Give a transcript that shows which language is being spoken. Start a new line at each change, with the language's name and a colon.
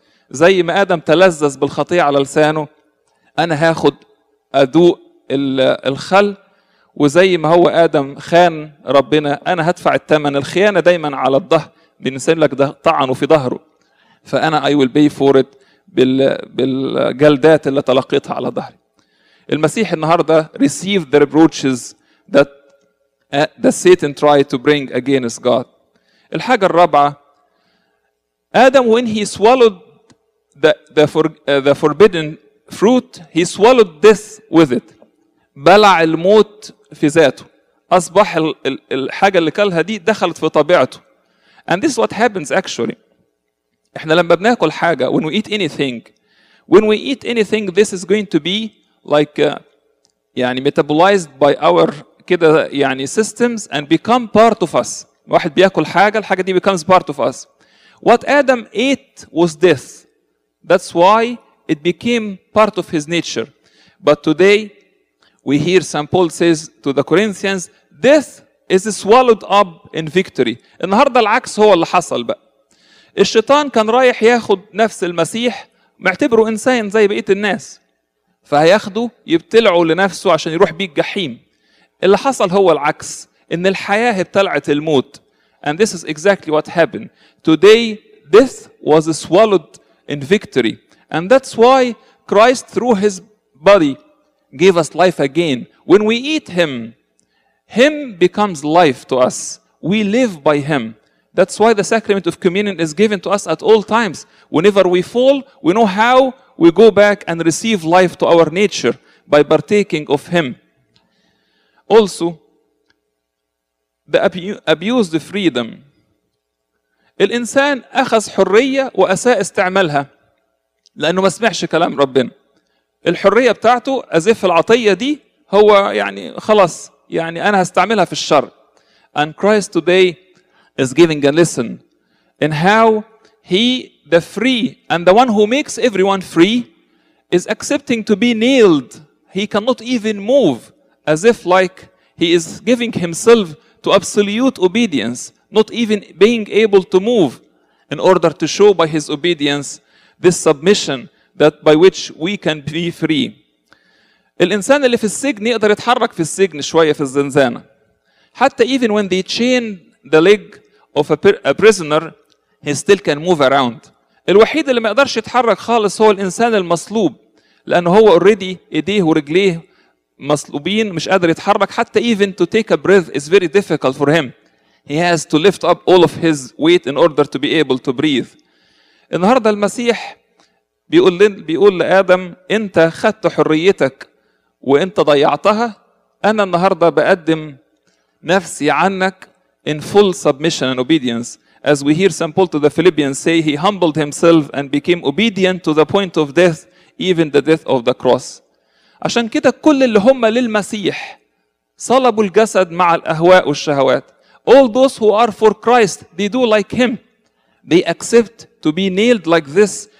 Arabic: زي ما آدم تلذذ بالخطية على لسانه أنا هاخد أذوق الخل، وزي ما هو آدم خان ربنا أنا هدفع التمن. الخيانة دايما على الظهر، بنسيب لك ده طعنه في ظهره، فأنا
English: I will pay for it
Arabic: بالجلدات اللي تلقيتها على ظهري. المسيح النهاردة
English: received the reproaches that Satan tried to bring against God.
Arabic: الحاجة الرابعة،
English: آدم when he swallowed the forbidden fruit he swallowed death with it.
Arabic: بلع الموت في ذاته، أصبح الحاجة اللي كلها دي دخلت في طبيعته.
English: And this is what happens actually.
Arabic: إحنا لما بناكل حاجة
English: when we eat anything this is going to be like يعني metabolized by our كده يعني systems and become part of us.
Arabic: واحد بيأكل حاجة الحاجة دي
English: becomes part of us. What Adam ate was death. That's why it became part of his nature. But today we hear St. Paul says to the Corinthians death is swallowed up in victory.
Arabic: النهاردة العكس هو اللي حصل بقى. الشيطان كان رايح ياخد نفس المسيح، معتبره إنسان زي بقية الناس، فهياخده يبتلعه لنفسه عشان يروح بيه الجحيم. اللي حصل هو العكس، إن الحياة ابتلعت الموت.
English: And this is exactly what happened. Today, death was swallowed in victory. And that's why Christ through his body gave us life again. When we eat him, him becomes life to us. We live by him. That's why the sacrament of communion is given to us at all times. Whenever we fall, we know how we go back and receive life to our nature by partaking of him. Also, the abuse the freedom.
Arabic: الإنسان أخذ حرية وأساء استعمالها لأنه ما سمعش كلام ربنا. الحرية بتاعته أزف العطية دي هو يعني خلاص يعني أنا هستعملها في الشر.
English: And Christ today is giving a lesson in how he, the free, and the one who makes everyone free, is accepting to be nailed. He cannot even move, as if like he is giving himself to absolute obedience, not even being able to move, in order to show by his obedience this submission that by which we can be free.
Arabic: الإنسان اللي في السجن يقدر يتحرك في السجن شوية في الزنزانة.
English: حتى even when they chain the leg of a prisoner, he still can move around.
Arabic: الوحيد اللي ما يقدرش يتحرك خالص هو الإنسان المصلوب، لأنه هو already إيديه ورجليه مصلوبين مش قادر يتحرك.
English: حتى even to take a breath is very difficult for him. He has to lift up all of his weight in order to be able to breathe.
Arabic: النهاردة المسيح بيقول لآدم أنت خدت حريتك وأنت ضيعتها، أنا النهاردة بقدم نفسي عنك
English: in full submission and obedience. As we hear St. Paul to the Philippians say, he humbled himself and became obedient to the point of death, even the death of the cross.
Arabic: عشان كده كل اللي هم للمسيح صلبوا الجسد مع الأهواء والشهوات.
English: All those who are for Christ, they do like him. They accept to be nailed like this.